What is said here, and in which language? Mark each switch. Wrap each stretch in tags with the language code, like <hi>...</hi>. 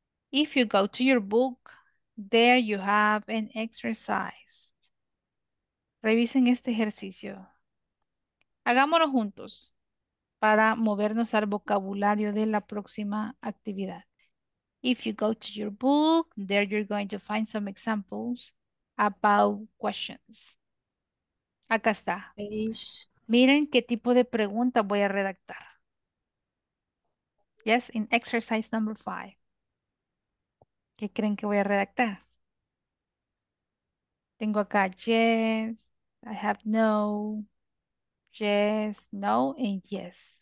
<en>If you go to your book, there you have an exercise.</en> <es>Revisen este ejercicio. Hagámoslo juntos para movernos al vocabulario de la próxima actividad.</es> <en>If you go to your book, there you're going to find some examples about questions.</en> <es>Acá está. Miren qué tipo de pregunta voy a redactar.</es> <en>Yes, in exercise number 5.</en> <es>¿Qué creen que voy a redactar? Tengo acá</es> <en>yes, I have no, yes, no, and yes.</en>